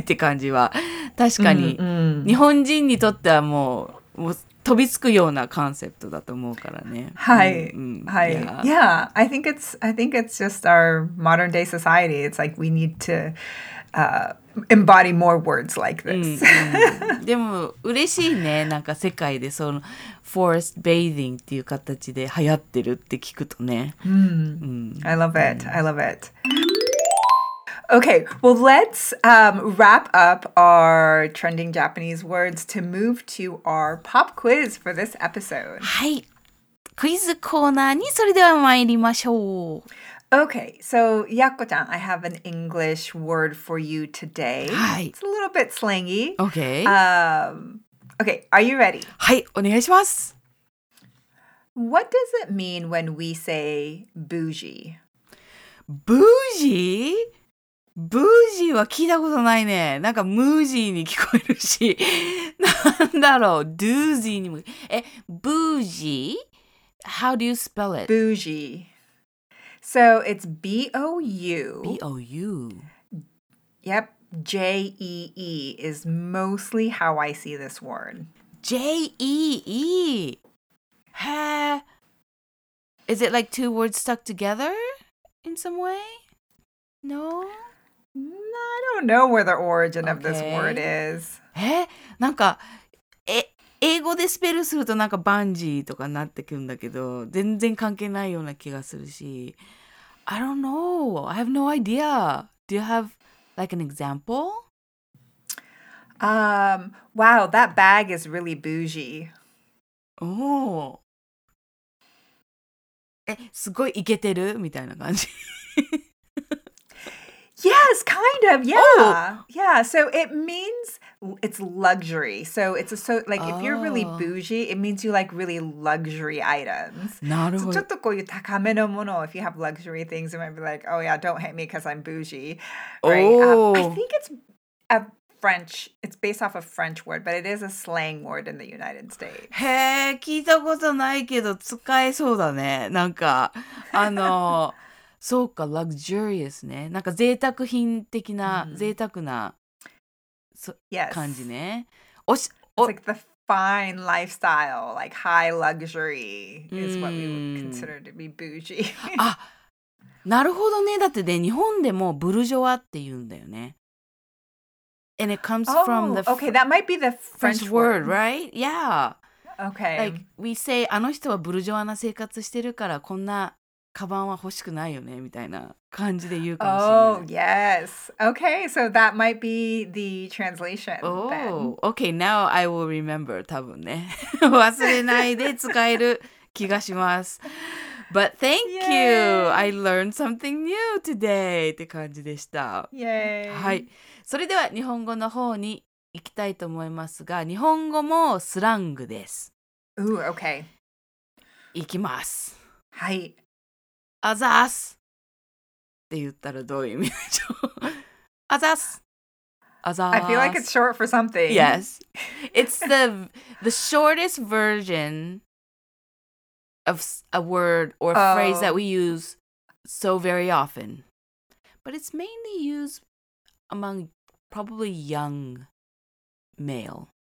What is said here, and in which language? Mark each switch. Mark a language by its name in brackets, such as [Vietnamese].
[Japanese] って感じは確かに日本人にとってはもう飛びつくようなコンセプトだと思うからね。はい。はい。 [English] Yeah, I think it's just our modern day society. It's like we need to embody more words like this. [Japanese] でも嬉しいね。なんか世界でそのフォレストベイディングっていう形で流行ってるって聞くとね。 [English] I love it. I love it. Okay, well, let's wrap up our trending Japanese words to move to our pop quiz for this episode. [Japanese] はい。クイズコーナーにそれでは参りましょう。 [English] Okay, so, Yakko-chan, I have an English word for you today. [Japanese] はい。 [English] It's a little bit slangy. Okay. Okay, are you ready? [Japanese] はい、お願いします。 [English] What does it mean when we say bougie? Bougie? [Japanese] ブージーは聞いたことないね。なんかムージーに聞こえるし、なんだろう、ドゥージーにも。 [English] え、ブージー？How do you spell it? ブージー。So it's B-O-U. B-O-U. Yep, J-E-E is mostly how I see this word. J-E-E. へぇ。 Is it like two words stuck together in some way? No? I don't know where the origin of this word is. [Japanese] え、なんか、英語でスペルするとなんかバンジーとかなってくるんだけど、全然関係ないような気がするし。 [English] I don't know. I have no idea. Do you have like an example? Wow, that bag is really bougie. Oh. [Japanese] え、すごいイケてるみたいな感じ。 [English] Yes, kind of. Yeah. Oh. Yeah. So it means it's luxury. So it's a, so like if you're really bougie, it means you like really luxury items. [Japanese] なるほど。 [English] So [Japanese] ちょっとこういう高めのもの, [English] if you have luxury things, you might be like, oh yeah, don't hate me because I'm bougie. Right? I think it's a French, it's based off a French word, but it is a slang word in the United States. [Japanese] へえ、聞いたことないけど使えそうだね。なんかあの。そうか、luxurious ね。なんか贅沢品的な、贅沢な、 [English] yes. [Japanese] 感じね。 [English] It's like the fine lifestyle, like high luxury is what we would consider to be bougie. [Japanese] あ、なるほどね。だってね、日本でもブルジョワって言うんだよね。 [English] And it comes from the okay, that might be the French word, right? Yeah. Okay. Like, we say, [Japanese] あの人はブルジョワな生活してるから、こんな、カバンは欲しくないよねみたいな感じで言うかもしれない。 [English] Oh, yes. Okay, so that might be the translation. Oh,、then. Okay, now I will remember, [Japanese] 多分ね。忘れないで使える気がします。 [English] But thank、Yay. You! I learned something new today! [Japanese] って感じでした。 [English] Yay! [Japanese] はい。それでは日本語の方に行きたいと思いますが、日本語もスラングです。 [English] Ooh, okay. [Japanese] 行きます。はい。あざーすって言ったらどういう意味でしょう。あざーす。あざーす。 [English] I feel like it's short for something. Yes. It's the shortest version of a word or a phrase that we use so very often. But it's mainly used among probably young male.